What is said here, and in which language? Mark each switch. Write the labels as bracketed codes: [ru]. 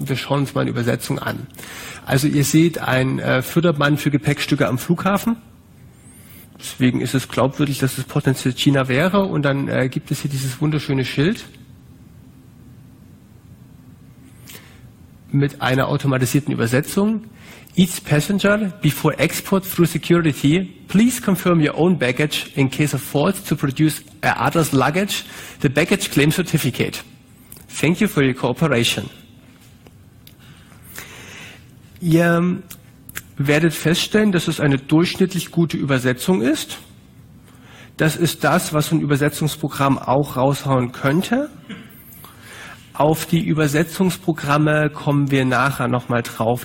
[de] Wir schauen uns mal eine Übersetzung an. Also ihr seht ein Fördermann für Gepäckstücke am Flughafen. Deswegen ist es glaubwürdig, dass es potenziell China wäre. Und dann gibt es hier dieses wunderschöne Schild mit einer automatisierten Übersetzung. [en] Each passenger, before export through security, please confirm your own baggage in case of fault to produce others' luggage, the baggage claim certificate. Thank you for your cooperation. [de] Werdet feststellen, dass es eine durchschnittlich gute Übersetzung ist. Das ist das, was ein Übersetzungsprogramm auch raushauen könnte. auf die Übersetzungsprogramme kommen wir nachher nochmal drauf.